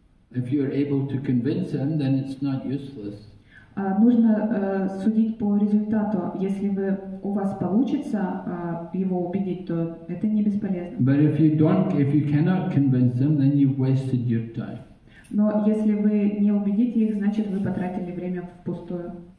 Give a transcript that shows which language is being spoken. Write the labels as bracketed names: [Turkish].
[English] If you are able to convince them, then it's not useless. [Russian] Нужно судить по результату. Если вы у вас получится его убедить, то это не бесполезно. [English] But if you don't, if you cannot convince them, then you've wasted your time. [Russian] Но если вы не убедите их, значит вы потратили время впустую.